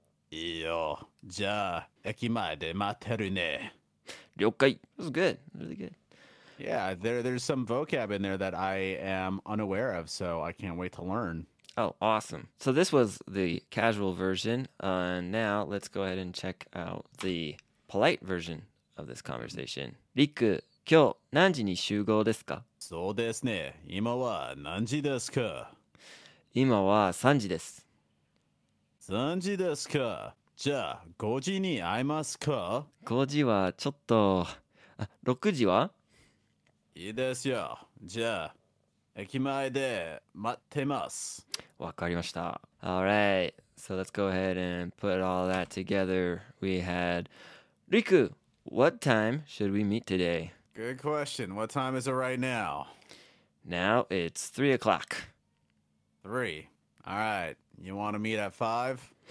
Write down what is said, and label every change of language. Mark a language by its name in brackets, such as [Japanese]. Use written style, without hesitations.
[Japanese] いいよ、じゃあ駅前で待ってるね。了解。 [English] That's good. Really good. Yeah, there's some vocab in there that I am unaware of, so I can't wait to learn. Oh, awesome. So this was the casual version, and now let's go ahead and check out the polite version of this conversation. [Japanese] Riku, 今日何時に集合ですか？そうですね。今は何時ですか？今は3時です。 3時ですか？じゃあ5時に会いますか？ 5時はちょっと、あ、6時は？いいですよ。じゃあ駅前で待ってます。わかりました。 [English] All right. So let's go ahead and put all that together. We had Riku. What time should we meet today? Good question. What time is it right now? Now it's 3:00. 3. All right. You want to meet at 5?